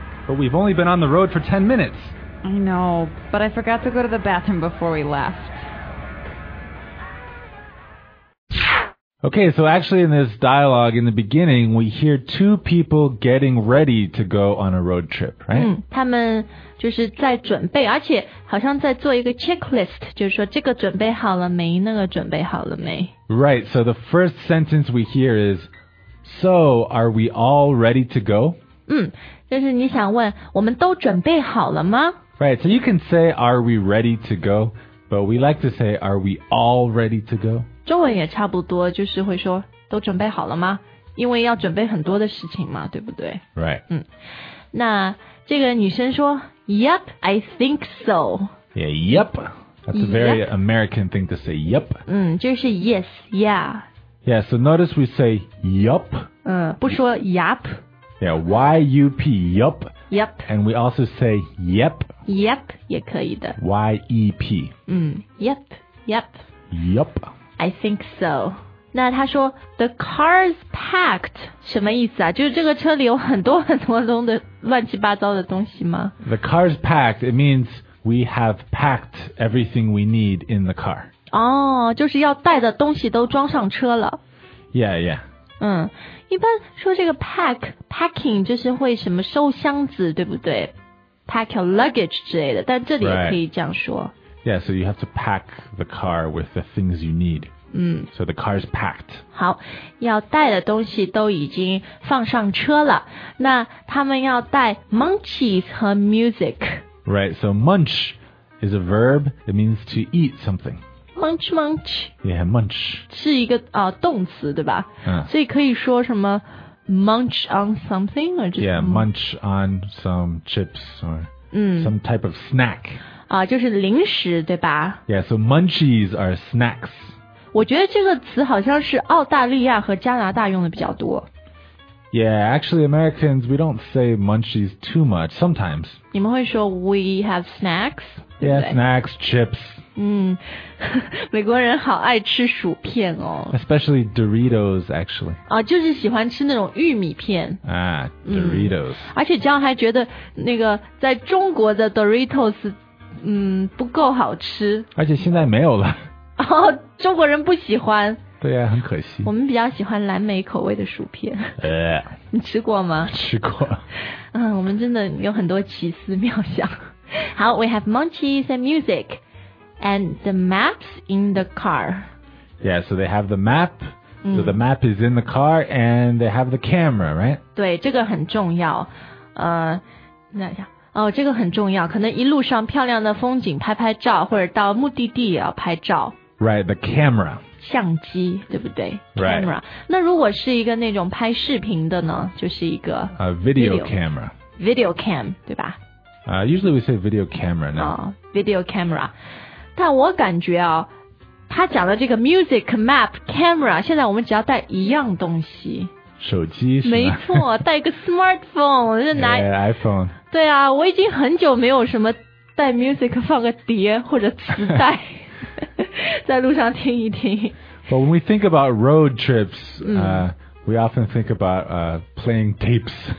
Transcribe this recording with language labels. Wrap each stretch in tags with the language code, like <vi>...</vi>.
<en>But we've only been on the road for 10 minutes. I know, but I forgot to go to the bathroom before we left. Okay, so actually in this dialogue, in the beginning, we hear two people getting ready to go on a road trip, right?</en> <zh>他们就是在准备,而且好像在做一个 checklist, 就是说这个准备好了没,那个准备好了没。</zh> <en>Right, so the first sentence we hear is,So, are we all ready to go?</en> <zh>嗯，就是你想问，我们都准备好了吗？</zh> <en>Right, so you can say, are we ready to go? But we like to say, are we all ready to go?</en> <zh>中文也差不多，就是会说，都准备好了吗？因为要准备很多的事情嘛，对不对？</zh> <en>Right.</en> <zh>嗯，那这个女生说，</zh> <en>Yep, I think so. Yeah, yep. That's a very yep. American thing to say, yep.</en> <zh>嗯，就是</zh> <en>yes, yeah. Yeah, so notice we say yup.</en> <zh>不说 yup.</zh> <en>Yeah, Y-U-P, yup. Yup. And we also say yep.</en> <zh>Yep, 也可以的。</zh> <en>Y-E-P. 嗯 yep, yep. Yup. I think so.</en> <zh>那他说</zh> <en>the car's packed.</en> <zh>什么意思啊就是这个车里有很多很多东的乱七八糟的东西吗</zh> <en>The car's packed. It means we have packed everything we need in the car.</en> <zh>哦、oh, 就是要带的东西都装上车了</zh> <en>Yeah, yeah</en> <zh>嗯一般说这个 pack Packing 就是会什么收箱子对不对</zh> <en>Pack your luggage</en> <zh>之类的但这里也可以这样说、</zh> <en>right. Yeah, so you have to pack the car with the things you need</en> <zh>嗯</zh> <en>So the car is packed</en> <zh>好要带的东西都已经放上车了那他们要带 munchies 和 music</zh> <en>Right, so munch is a verb It means to eat something Munch, munch. Yeah, munch.</en> <zh>是一个、动词对吧、所以可以说什么</zh> <en>munch on something? Or just yeah, munch on some chips or、some type of snack.、</en> <zh>就是零食对吧</zh> <en>Yeah, so munchies are snacks.</en> <zh>我觉得这个词好像是澳大利亚和加拿大用的比较多。</zh> <en>Yeah, actually Americans, we don't say munchies too much, sometimes.</en> <zh>你们会说</zh> <en>we have snacks? Yeah,</en> <zh>对不对</zh> <en>snacks, chips.</en> <zh>嗯美国人好爱吃薯片哦</zh> <en>Especially Doritos actually</en> <zh>啊就是喜欢吃那种玉米片啊 Doritos、而且这样还觉得那个在中国的 Doritos 不够好吃而且现在没有了哦中国人不喜欢对呀、啊，很可惜。我们比较喜欢蓝莓口味的薯片。你吃过吗？吃过。我们真的有很多奇思妙想。</zh> <en>好 ，We have munchies and music, and the maps in the car. Yeah, so they have the map. So the map is in the car, and they have the camera, right?</en> <zh>对，这个很重要。那下，哦，这个很重要。可能一路上漂亮的风景拍拍照，或者到目的地也要拍照。</zh> <en>Right, the camera.</en> <zh>相机，对不对</zh> <en>？Camera. Right.</en> <zh>那如果是一个那种拍视频的呢？就是一个</zh> <en>video camera. Video cam,</en> <zh>对吧？</zh> <en>Usually we say video camera now. Video camera.</en> <zh>但我感觉哦。他讲的这个</zh> <en>music, map, camera,</en> <zh>现在我们只要带一样东西。手机是吗？没错，带一个 smartphone, 就拿。对、yeah, ,iPhone。对啊，我已经很久没有什么带 music 放个碟或者磁带在路上听一听。</zh> <en>But when we think about road trips,we often think about playing tapes.</en>